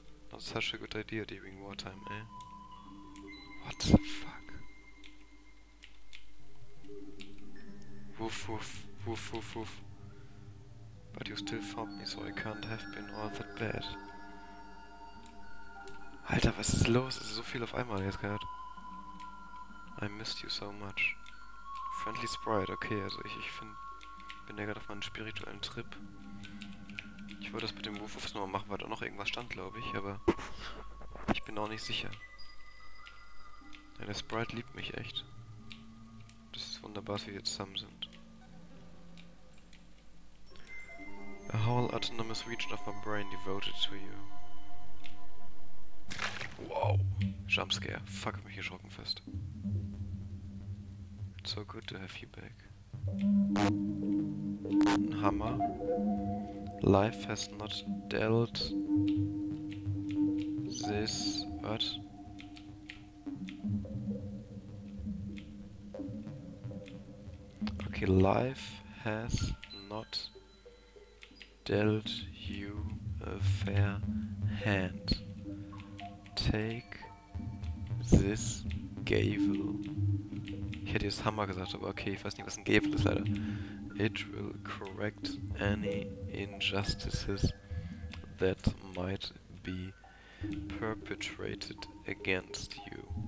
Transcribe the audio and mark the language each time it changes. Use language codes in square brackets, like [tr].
[en] Not such a good idea during wartime, eh? What the fuck? Woof woof, woof woof woof. But you still found me, so I can't have been all that bad. [de] Alter, was ist los? Es ist so viel auf einmal jetzt gerade. [en] I missed you so much. [de] Friendly Sprite, okay, also ich bin ja gerade auf meinem spirituellen Trip. Ich wollte das mit dem Wurfwurf nochmal machen, weil da noch irgendwas stand, glaube ich, aber ich bin auch nicht sicher. Ja, der Sprite liebt mich echt. Das ist wunderbar, dass wir hier zusammen sind. [en] A whole autonomous region of my brain devoted to you. [de] Wow. Jumpscare. Fuck, mich erschrocken fest. [en] It's so good to have you back. [de] Ein Hammer. [en] Life has not dealt this. What? Okay, life has not dealt you a fair hand. Take this gavel. [de] Ich hätte jetzt Hammer gesagt, aber okay, ich weiß nicht, was ein Gavel ist, leider. [en] It will correct any injustices that might be perpetrated against you.